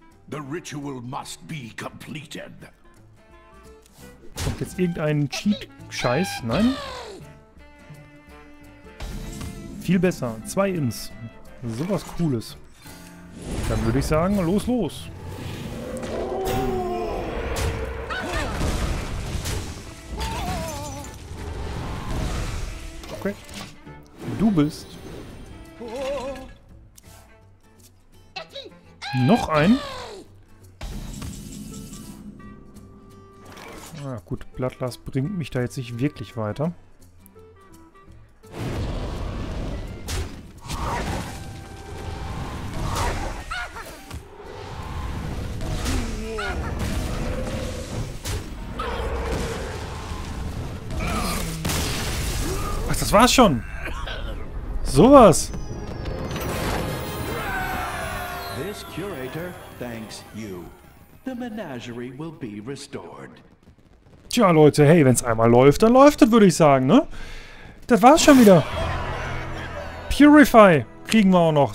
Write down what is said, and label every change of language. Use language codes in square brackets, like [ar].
[en] The ritual must be completed. [de] Kommt jetzt irgendein Cheat-Scheiß? Nein? Viel besser. Zwei Ins. Sowas Cooles. Dann würde ich sagen, los, los. Du bist. Noch ein. Na gut, Bloodlust bringt mich da jetzt nicht wirklich weiter. Ach, das war's schon. Sowas. [en] This curator thanks you. The menagerie will be restored. [de] Tja, Leute, hey, wenn's einmal läuft, dann läuft es, würde ich sagen, ne? Das war's schon wieder. Purify kriegen wir auch noch.